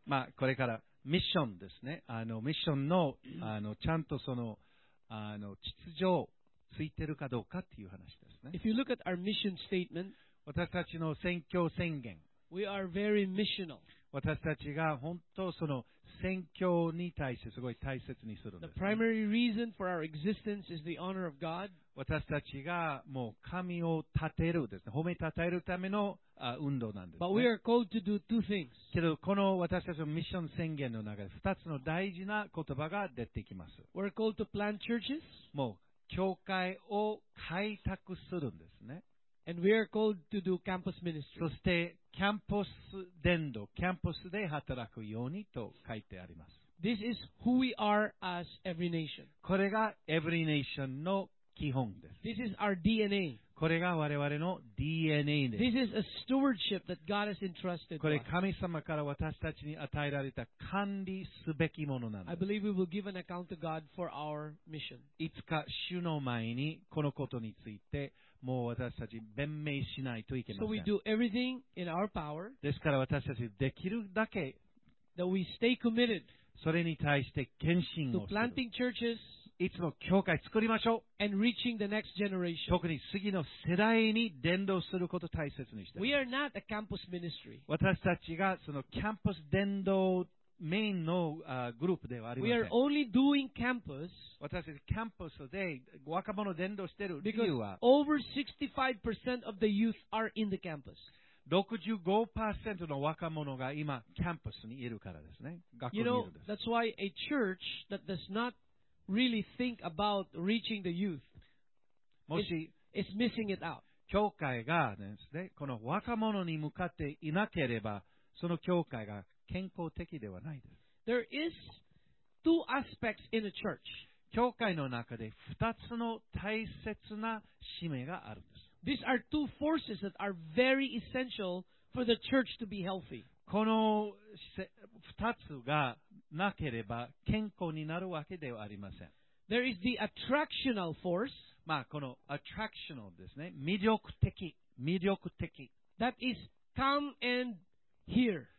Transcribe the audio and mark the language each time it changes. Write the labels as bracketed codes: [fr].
[ja] まあ、これからミッションですね。ミッションの、ちゃんとその、秩序ついてるかどうかっていう話ですね。 [en] If you look at our mission statement, [ja] 私たちの宣教宣言。 [en] We are very missional. [ja] 私たちが本当その宣教に対してすごい大切にするんです。 [en] The primary reason for our existence is the honor of God. [ja] 私たちがもう神を立てるですね。褒め称えるための運動なんです、ね。 [en] But we are called to do two things. [ja] けどこの私たちのミッション宣言の中で二つの大事な言葉が出てきます。 [en] We're called to plant churches. [ja] もう教会を開拓するんですね。 [en] And we are called to do campus ministry. [ja] そしてキャンパス伝道、キャンパスで働くようにと書いてあります。 [en] This is who we are as every nation. [ja] これが every nation の基本です。 [en] This is our DNA. [ja] これが我々の DNA です。 [en] This is a stewardship that God has entrusted us. [ja] これ神様から私たちに与えられた管理すべきものなんです。 [en] I believe we will give an account to God for our mission. [ja] いつか主の前にこのことについてもう私たち弁明しないといけません。 [en] So we do everything in our power. [ja] ですから私たちできるだけ [en] that we stay committed. [ja] それに対して献身をする。 [en] To planting churches. [ja] いつも教会作りましょう。 [en] And reaching the next generation. [ja] 特に次の世代に伝道することを大切にしてます。 [en] We are not a campus ministry. [ja] 私たちがそのキャンパス伝道メインのグループではありません。 [en] We are only doing campus. [ja] 私たちキャンパスで若者を伝道している理由は、 [en] because over 65% of the youth are in the campus. [ja] 65% の若者が今キャンパスにいるからですね。学校にいるんです。 [en] You know, that's why a church that does not really think about reaching the youth is missing it out. [ja] 教会がですね、この若者に向かっていなければ、その教会が健康的ではないです。 [en] There is two aspects in a church. [ja] 教会の中で二つの大切な使命があるんです。 [en] These are two forces that are very essential for the church to be healthy. [ja] この二つがなければ健康になるわけではありません。 [en] There is the attractional force. [ja] まあこの attractional ですね。魅力的。 [en] That is come and hear.